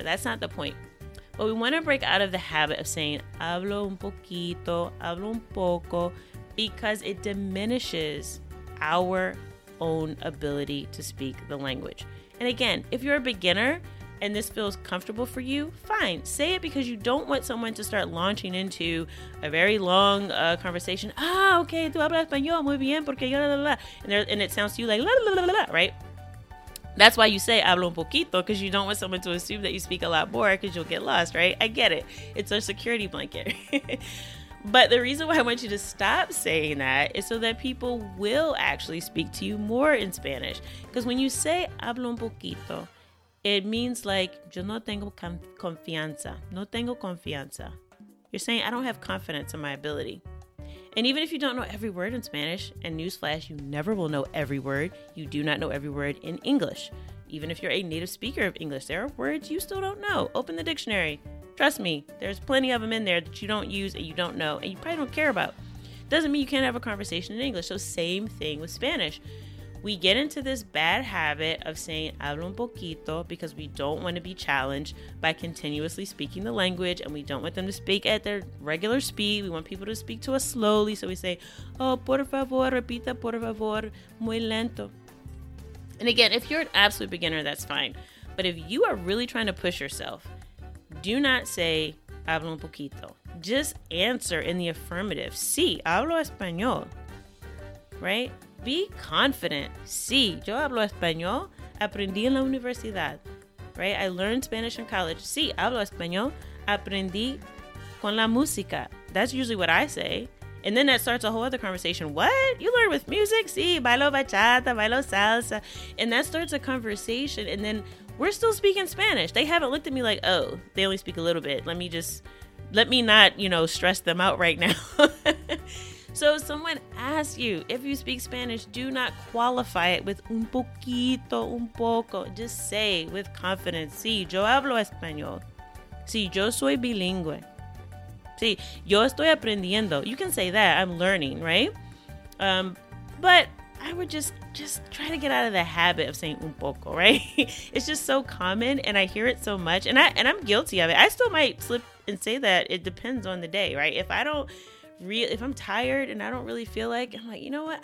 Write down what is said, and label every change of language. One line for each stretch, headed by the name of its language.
English: That's not the point. But we want to break out of the habit of saying,
Spanish: hablo un poquito, hablo un poco,
English: because it diminishes our own ability to speak the language. And again, if you're a beginner and this feels comfortable for you, fine. Say it because you don't want someone to start launching into a very long conversation.
Spanish: Ah, okay, tú hablas español muy bien porque yo, la, la, la.
English: And it sounds to you like la, la, la, la, la, right? That's why you say
Spanish: hablo un poquito,
English: because you don't want someone to assume that you speak a lot more because you'll get lost, right? I get it. It's a security blanket. But the reason why I want you to stop saying that is so that people will actually speak to you more in Spanish. Because when you say
Spanish: hablo un poquito,
English: it means like
Spanish: yo no tengo confianza. No tengo confianza.
English: You're saying I don't have confidence in my ability. And even if you don't know every word in Spanish, and newsflash, you never will know every word, you do not know every word in English. Even if you're a native speaker of English, there are words you still don't know. Open the dictionary. Trust me, there's plenty of them in there that you don't use and you don't know and you probably don't care about. Doesn't mean you can't have a conversation in English. So same thing with Spanish. We get into this bad habit of saying
Spanish: hablo un poquito
English: because we don't want to be challenged by continuously speaking the language, and we don't want them to speak at their regular speed. We want people to speak to us slowly. So we say, oh,
Spanish: por favor, repita, por favor, muy lento.
English: And again, if you're an absolute beginner, that's fine. But if you are really trying to push yourself, do not say
Spanish: hablo un poquito.
English: Just answer in the affirmative.
Spanish: Sí, hablo español.
English: Right? Be confident.
Spanish: Sí, yo hablo español. Aprendí en la universidad.
English: Right? I learned Spanish in college.
Spanish: Sí, hablo español. Aprendí con la música.
English: That's usually what I say. And then that starts a whole other conversation. What? You learn with music?
Spanish: Sí, bailo bachata, bailo salsa.
English: And that starts a conversation. And then we're still speaking Spanish. They haven't looked at me like, oh, they only speak a little bit. Let me not, you know, stress them out right now. So if someone asks you if you speak Spanish, do not qualify it with
Spanish: un poquito, un poco.
English: Just say with confidence,
Spanish: sí, yo hablo español. Sí, yo soy bilingüe. Sí, yo estoy aprendiendo.
English: You can say that. I'm learning, right? But I would just try to get out of the habit of saying
Spanish: un poco,
English: right? It's just so common, and I hear it so much, and I'm guilty of it. I still might slip and say that. It depends on the day, right? If I'm tired and I don't really feel like, I'm like, you know what?